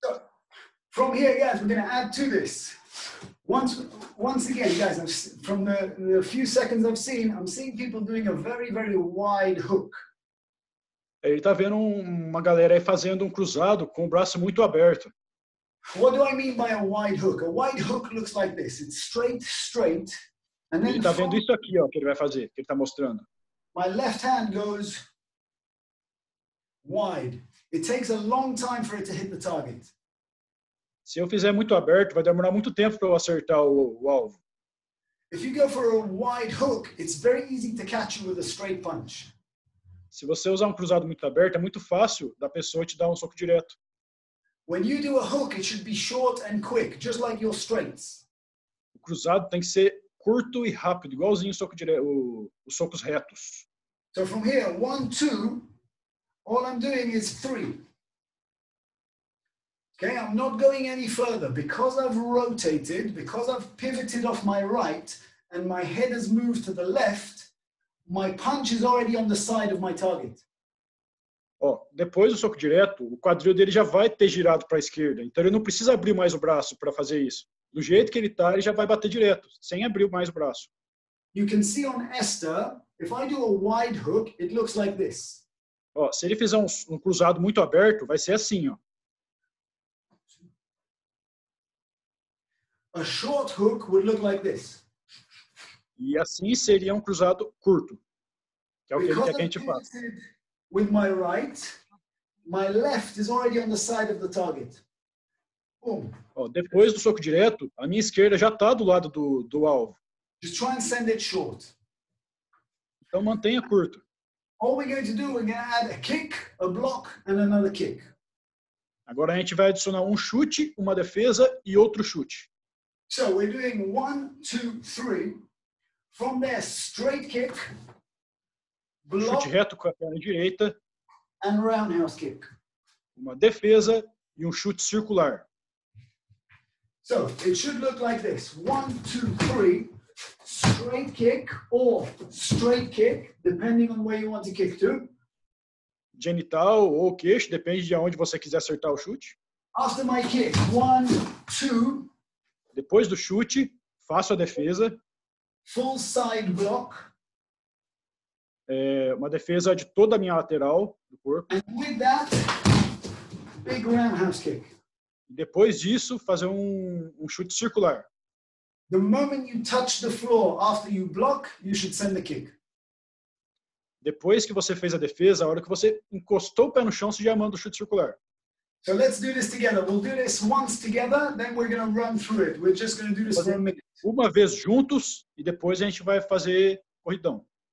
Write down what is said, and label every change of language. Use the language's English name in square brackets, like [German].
[English] So, from here, guys, we're going to add to this. Once again, guys, from the few seconds I've seen, I'm seeing people doing a very, very wide hook. [Portuguese] Ele está vendo uma galera aí fazendo um cruzado com o braço muito aberto. [English] What do I mean by a wide hook? A wide hook looks like this. It's straight, straight, and then. [Portuguese] Ele tá vendo isso aqui, ó, que ele vai fazer, que ele tá mostrando. [English] My left hand goes wide. It takes a long time for it to hit the target. [Portuguese] Se eu fizer muito aberto, vai demorar muito tempo para eu acertar o alvo. [English] If you go for a wide hook, it's very easy to catch you with a straight punch. [Portuguese] Se você usar um cruzado muito aberto, é muito fácil da pessoa te dar um soco direto. [English] When you do a hook, it should be short and quick, just like your straights. [Portuguese] O cruzado tem que ser curto e rápido, igualzinho o soco direto, os socos retos. [English] So from here, one, two, all I'm doing is three. Okay, I'm not going any further. Because I've rotated, because I've pivoted off my right, and my head has moved to the left, my punch is already on the side of my target. [Portuguese] Oh, depois do soco direto, o quadril dele já vai ter girado para a esquerda. Então, ele não precisa abrir mais o braço para fazer isso. Do jeito que ele está, ele já vai bater direto, sem abrir mais o braço. [English] You can see on Esther, if I do a wide hook, it looks like this. [Portuguese] Oh, se ele fizer um cruzado muito aberto, vai ser assim, ó. [English] A short hook would look like this. [Portuguese] E assim seria um cruzado curto, que é o que a gente faz. [English] With my right, my left is already on the side of the target. Boom. [Portuguese] Oh, depois do soco direto, a minha esquerda já está do lado do alvo. [English] Just try and send it short. [Portuguese] Então mantenha curto. [English] All we're going to do, we're going to add a kick, a block, and another kick. [Portuguese] Agora a gente vai adicionar um chute, uma defesa e outro chute. [English] So we're doing one, two, three. From there, straight kick. Block, [Portuguese] chute reto com a perna direita. [English] And roundhouse kick. [Portuguese] Uma defesa e um chute circular. [English] So it should look like this. One, two, three. Straight kick or straight kick, depending on where you want to kick to. [Portuguese] Genital ou queixo, depende de onde você quiser acertar o chute. [English] After my kick, one, two. [Portuguese] Depois do chute, faço a defesa. [English] Full side block. [Portuguese] É uma defesa de toda a minha lateral do corpo. [English] And with that, big roundhouse kick. [Portuguese] Depois disso, fazer um chute circular. [English] The moment you touch the floor after you block, you should send the kick. [Portuguese] Depois que você fez a defesa, a hora que você encostou o pé no chão, você já manda o chute circular. [English] So let's do this together. We'll do this once together, then we're going to run through it. We're just going to do this for a minute. [Portuguese] Uma vez juntos e depois a gente vai fazer corridão.